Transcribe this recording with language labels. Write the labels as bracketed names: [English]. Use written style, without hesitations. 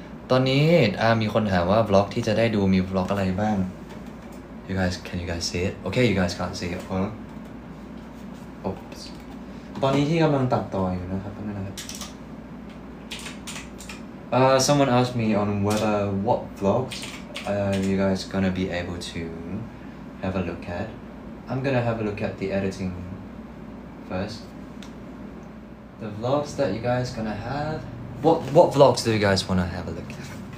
[Thai] ตอนนี้มีคนถามว่าบล็อกที่จะได้ดูมีบล็อกอะไรบ้าง [English] you guys can you guys see it okay you guys can't see it [Thai] huh oops ตอนนี้ที่กำลังตัดต่ออยู่นะครับนั่นนะครับ [English] someone asked me on whether what vlogs you guys gonna be able to have a look at I'm gonna have a look at the editing first the vlogs that you guys gonna haveWhat vlogs do you guys want to have a look at?